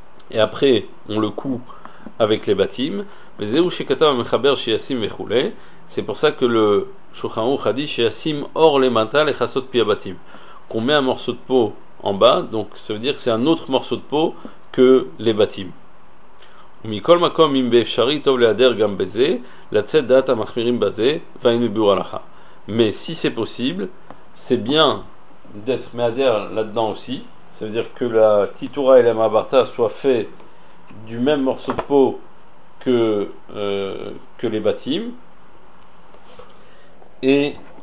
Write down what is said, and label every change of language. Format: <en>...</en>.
<fr>Et après, on le coud avec les batim.</fr> <he>Vezehu shekata mechaber sheyasim vechule.</he> <fr>C'est pour ça que le Shulchan Aruch a dit</fr> <he>sheyasim or lemata lechasot pi abatim,</he> <fr>qu'on met un morceau de peau en bas, donc ça veut dire que c'est un autre morceau de peau que les batim.</fr> <he>ומכל מקום אם באפשרי טוב להדר גם בזה לצאת דעת המחמירים בזה והיינו ביור הלכה.</he> <fr>Mais si c'est possible, c'est bien d'être מהדר là-dedans aussi. Ça veut dire que la titura et la ma'abarta soient faits du même morceau de peau que les batim. Et</fr>